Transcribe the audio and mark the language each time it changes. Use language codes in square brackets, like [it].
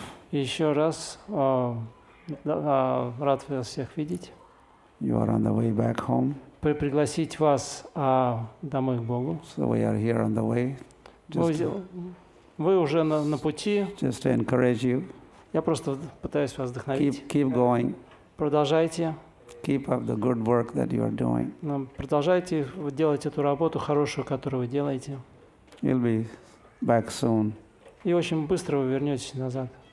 [ru] Еще раз. Рад вас всех видеть. [en] You are on the way back home. [ru] Пригласить вас домой к Богу. [en] So we are here on the way. [ru] Вы уже на пути. [en] Just to encourage you. [ru] Я просто пытаюсь вас вдохновить. [en] Keep going. [ru] Продолжайте. [en] Keep up the good work that you are doing. [ru] Продолжайте делать эту работу хорошую, которую вы делаете. [en] You'll be back soon. [ru] И очень быстро вы вернетесь назад.